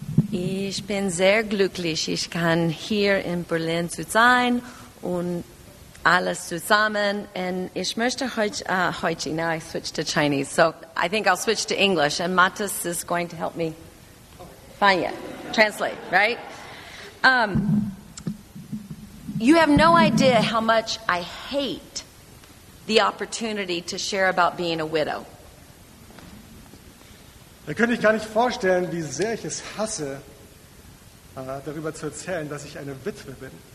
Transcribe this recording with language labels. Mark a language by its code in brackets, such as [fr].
[de] Ich bin sehr glücklich, ich kann hier in Berlin zu sein und alles zusammen. Und ich möchte heute, [en] now I switch to Chinese, so I think I'll switch to English. And Mathis is going to help me find it, translate, right? You have no idea how much I hate the opportunity to share about being a widow. [de] Da könnte ich gar nicht vorstellen, wie sehr ich es hasse, darüber zu erzählen, dass ich eine Witwe bin.